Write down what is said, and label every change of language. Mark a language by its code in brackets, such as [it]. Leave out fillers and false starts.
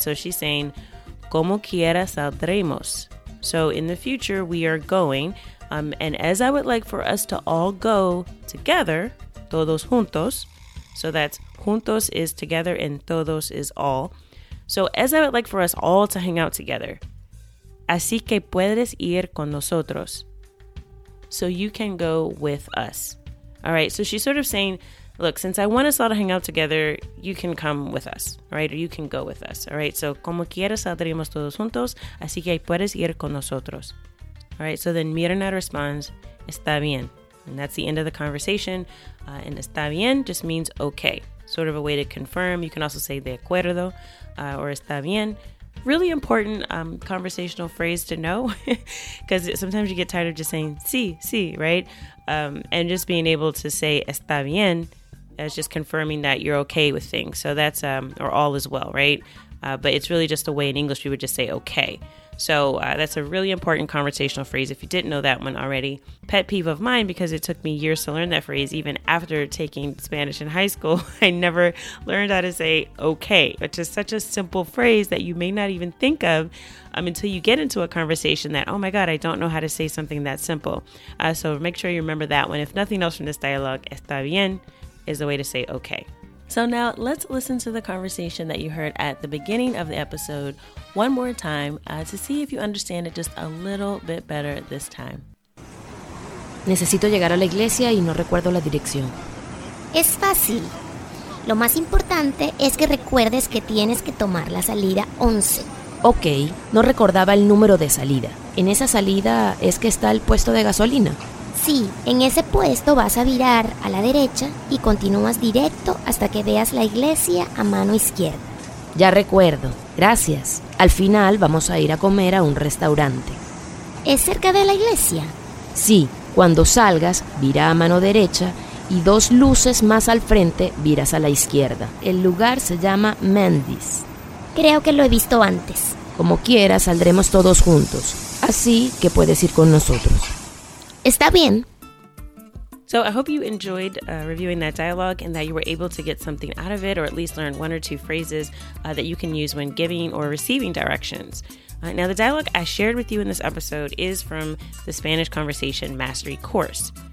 [en] So she's saying, [es] como quiera saldremos. [en] So in the future, we are going. And as I would like for us to all go together, [es] todos juntos. [en] So that's juntos is together and todos is all. So as I would like for us all to hang out together. [es] Así que puedes ir con nosotros. [en] So you can go with us. All right, so she's sort of saying, look, since I want us all to hang out together, you can come with us, right? Or you can go with us, all right? So, [es] como quieras saldremos todos juntos, así que puedes ir con nosotros. [en] All right, so then Mirna responds, [es] está bien. [en] And that's the end of the conversation. And [es] está bien [en] just means okay, sort of a way to confirm. You can also say [es] de acuerdo [en] or está bien. Really important conversational phrase to know, because sometimes you get tired of just saying sí, sí, right? And just being able to say [es] está bien [en] is just confirming that you're okay with things. So that's, or all is well, right? But it's really just a way in English we would just say okay. So that's a really important conversational phrase if you didn't know that one already. Pet peeve of mine, because it took me years to learn that phrase, even after taking Spanish in high school, I never learned how to say okay, which is such a simple phrase that you may not even think of until you get into a conversation that, oh my God, I don't know how to say something that simple. So make sure you remember that one. If nothing else from this dialogue, [es] está bien [en] is the way to say okay. So now let's listen to the conversation that you heard at the beginning of the episode one more time to see if you understand it just a little bit better this time. [es] Necesito llegar a la iglesia y no recuerdo la dirección. Es fácil. Lo más importante es que recuerdes que tienes que tomar la salida 11. Ok, no recordaba el número de salida. ¿En esa salida es que está el puesto de gasolina? Sí, en ese puesto vas a virar a la derecha y continúas directo hasta que veas la iglesia a mano izquierda. Ya recuerdo, gracias. Al final vamos a ir a comer a un restaurante. ¿Es cerca de la iglesia? Sí, cuando salgas, vira a mano derecha y dos luces más al frente viras a la izquierda. El lugar se llama Mendy's. Creo que lo he visto antes. Como quiera, saldremos todos juntos, así que puedes ir con nosotros. Está bien. [en] So I hope you enjoyed reviewing that dialogue and that you were able to get something out of it, or at least learn one or two phrases that you can use when giving or receiving directions. Now, the dialogue I shared with you in this episode is from the Spanish Conversation Mastery course.